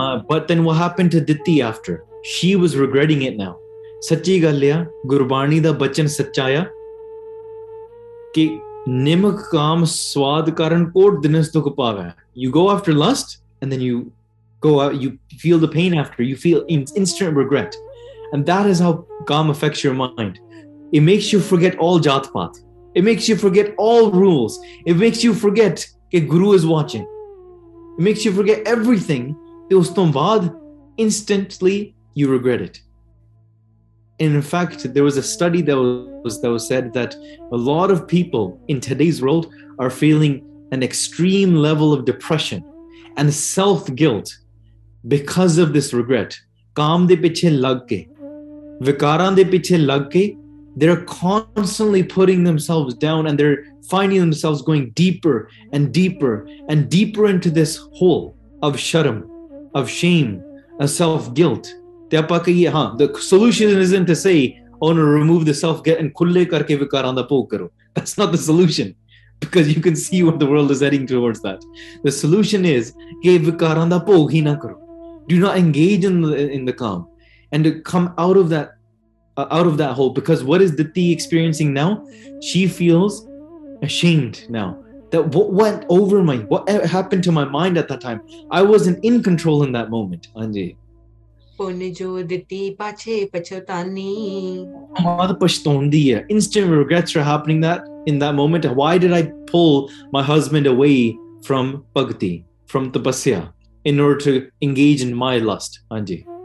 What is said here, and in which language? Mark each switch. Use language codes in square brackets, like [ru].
[en] but then what happened to ਦਿੱਤੀ after she was regretting it now [pa] ਸੱਚੀ ਗੱਲ ਆ ਗੁਰਬਾਣੀ ਦਾ ਬਚਨ ਸੱਚਾਇਆ ਕਿ ਨਿਮਕ ਕਾਮ ਸਵਾਦ ਕਰਨ ਕੋਟ ਦਿਨਸ ਦੁੱਖ ਪਾਵੈ [en] You go after lust and then you go out you feel the pain after you feel instant regret And that is how kaam affects your mind. It makes you forget all jatpat. It makes you forget all rules. It makes you forget that Guru is watching. It makes you forget everything. [pa] Us ton baad, [en] instantly, you regret it. And in fact, there was a study that was said that a lot of people in today's world are feeling an extreme level of depression and self-guilt because of this regret. [pa] Kaam de piche lag ke. ਵਿਕਾਰਾਂ ਦੇ ਪਿੱਛੇ ਲੱਗ ਕੇ [en] they are constantly putting themselves down and they are finding themselves going deeper and deeper and deeper into this hole of sharam of shame of self guilt [pa] ਤੇ ਆਪਾਂ ਕਹੀਏ ਹਾਂ [en] the solution is not to say on remove the self guilt and [pa] ਖੁੱਲੇ ਕਰਕੇ ਵਿਕਾਰਾਂ ਦਾ ਭੋਗ ਕਰੋ [en] that's not the solution because you can see what the world is heading towards that the solution is [pa] ਕਿ ਵਿਕਾਰਾਂ ਦਾ ਭੋਗ ਹੀ ਨਾ ਕਰੋ [en] Do not engage in the kaam And to come out of that hole, because what is Ditti experiencing now? She feels ashamed now. That what went over my, what happened to my mind at that time? I wasn't in control in that moment. Anji. [pa] Punjo Ditti pache pachotani. Mother pashtondi. [en] Instant regrets are happening that in that moment. Why did I pull my husband away from bhakti, from tapasya, in order to engage in my lust? Anji.